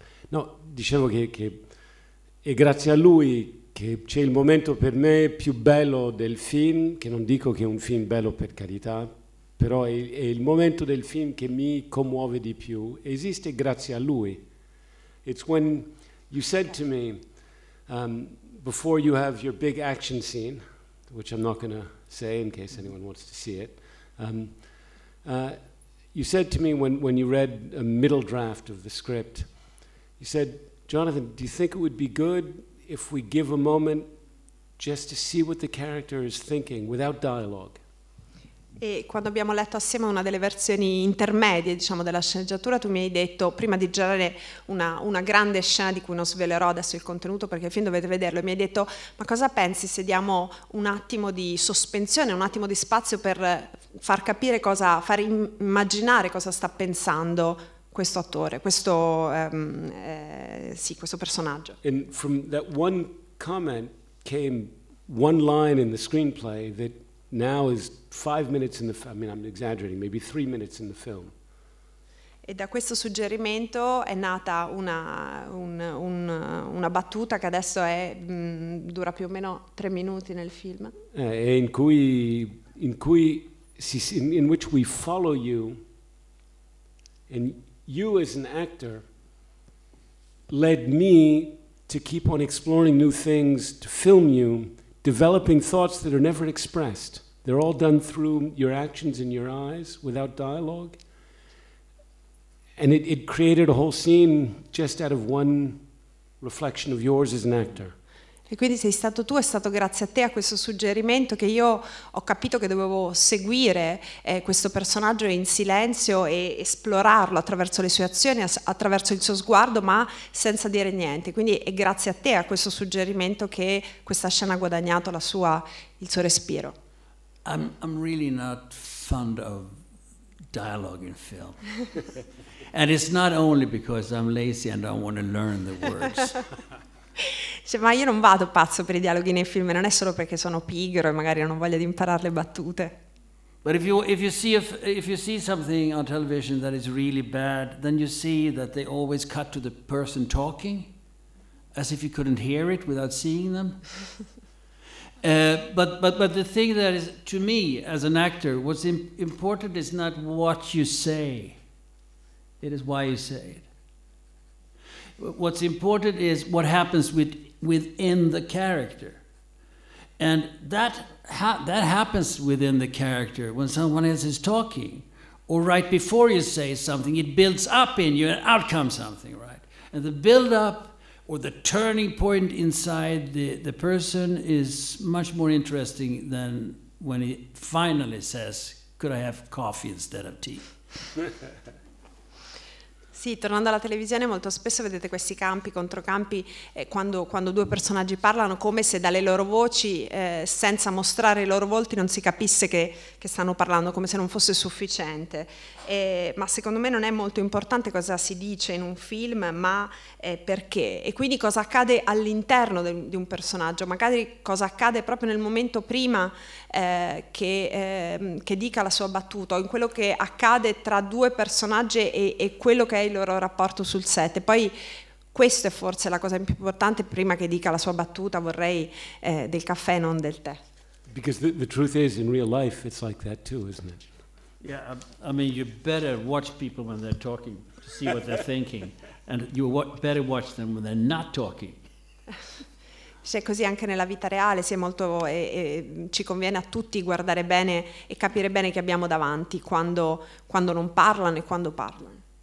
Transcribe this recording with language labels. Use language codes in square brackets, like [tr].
[it] No, dicevo che è grazie a lui che c'è il momento per me più bello del film, che non dico che è un film bello per carità, però è il momento del film che mi commuove di più. Esiste grazie a lui. [en] It's when you said to me, before you have your big action scene, which I'm not going to say in case anyone wants to see it. You said to me when you read a middle draft of the script, you said, Jonathan, do you think it would be good if we give a moment just to see what the character is thinking without dialogue? [it] E quando abbiamo letto assieme una delle versioni intermedie, diciamo, della sceneggiatura, tu mi hai detto, prima di girare una grande scena di cui non svelerò adesso il contenuto perché il film dovete vederlo, mi hai detto, ma cosa pensi se diamo un attimo di sospensione, un attimo di spazio per far capire cosa, far immaginare cosa sta pensando questo attore, questo, sì, questo personaggio. [en] And from that one comment came one line in the screenplay that now is 5 minutes in the film. I mean, I'm exaggerating, maybe 3 minutes in the film. [it] E da questo suggerimento è nata una battuta che adesso è dura più o meno 3 minuti nel film. [en] In which we follow you, and you as an actor led me to keep on exploring new things, to film you, developing thoughts that are never expressed. They're all done through your actions and your eyes without dialogue. And it created a whole scene just out of one reflection of yours as an actor. [it] E quindi sei stato tu, è stato grazie a te a questo suggerimento che io ho capito che dovevo seguire questo personaggio in silenzio e esplorarlo attraverso le sue azioni, attraverso il suo sguardo, ma senza dire niente. Quindi è grazie a te a questo suggerimento che questa scena ha guadagnato il suo respiro. [en] I'm really not fond of dialogue in film. And it's not only because I'm lazy and I want to learn the words. [it] Cioè, ma io non vado pazzo per i dialoghi nei film, non è solo perché sono pigro e magari non ho voglia di imparare le battute. [en] But if you see something on television that is really bad, then you see that they always cut to the person talking, as if you couldn't hear it without seeing them. But the thing that is, to me, as an actor, what's important is not what you say, it is why you say it. What's important is what happens within the character. And that happens within the character when someone else is talking, or right before you say something, it builds up in you and out comes something, right? And the build-up or the turning point inside the person is much more interesting than when he finally says, could I have coffee instead of tea? [it] Sì, tornando alla televisione molto spesso vedete questi campi, controcampi, quando due personaggi parlano come se dalle loro voci, senza mostrare i loro volti, non si capisse che stanno parlando, come se non fosse sufficiente. Ma secondo me non è molto importante cosa si dice in un film, ma perché. E quindi cosa accade all'interno di un personaggio, magari cosa accade proprio nel momento prima che dica la sua battuta, o in quello che accade tra due personaggi e quello che è il loro rapporto sul set. E poi questa è forse la cosa più importante, prima che dica la sua battuta vorrei del caffè, non del tè. [en] Because the truth is, in real life it's like that too, isn't it? Yeah, I mean, you better watch people when they're talking to see what they're thinking, and you better watch them when they're not talking. [it] Se è così anche nella vita reale, se è molto, ci conviene a tutti guardare bene e capire bene che abbiamo davanti quando non parlano e quando parlano.